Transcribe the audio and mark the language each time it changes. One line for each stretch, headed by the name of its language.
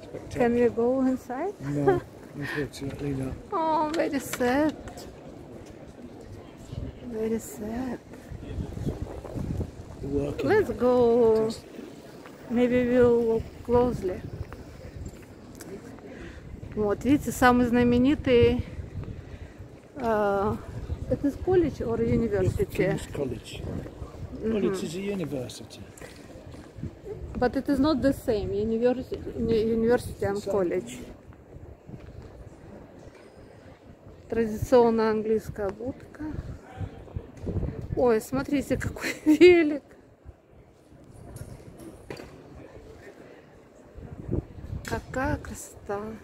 English: Can we go inside? No, unfortunately not. Oh, very sad. Very sad. Let's go. Maybe we'll look closely.
Russian: Вот, видите, самый знаменитый... Это колледж или университет?
English: King's College. Mm-hmm. Well, it is a university. But it is not the same, university and college.
Russian: Традиционная английская будка. Ой, смотрите, какой велик. Какая красота.